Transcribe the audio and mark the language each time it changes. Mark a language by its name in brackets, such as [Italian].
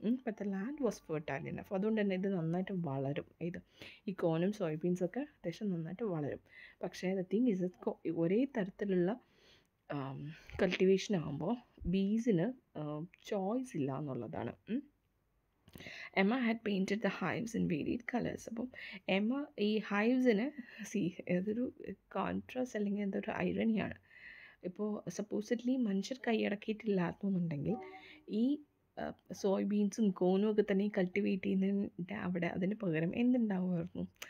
[Malayalam] ഇപ്പോഴത്തെ [English] land was fertile enough, [Malayalam] അതുകൊണ്ട് തന്നെ ഇത് നന്നായിട്ട് വളരും. ഇത് ഈ കോണും സോയബീൻസൊക്കെ അത്യാവശ്യം നന്നായിട്ട് വളരും. പക്ഷേ [English] the thing is [Malayalam] ഒരേ തരത്തിലുള്ള കൾട്ടിവേഷൻ ആകുമ്പോൾ ബീസിന് ചോയ്സ് ഇല്ല എന്നുള്ളതാണ്. [English] Emma had painted the hives in varied colors. [Malayalam] അപ്പം എമ്മ ഈ ഹൈവ്സിനെ സി ഏതൊരു കോൺട്രാസ്റ്റ് അല്ലെങ്കിൽ എന്തൊരു ഐറണിയാണ്. ഇപ്പോൾ സപ്പോസിറ്റ്ലി മനുഷ്യർ കൈയടക്കിയിട്ടില്ലാത്തന്നുണ്ടെങ്കിൽ ഈ സോയബീൻസും കോണും ഒക്കെ തന്നെ കൾട്ടിവേറ്റ് ചെയ്യുന്നതിൻ്റെ അവിടെ അതിന് പകരം എന്തുണ്ടാവുമായിരുന്നു?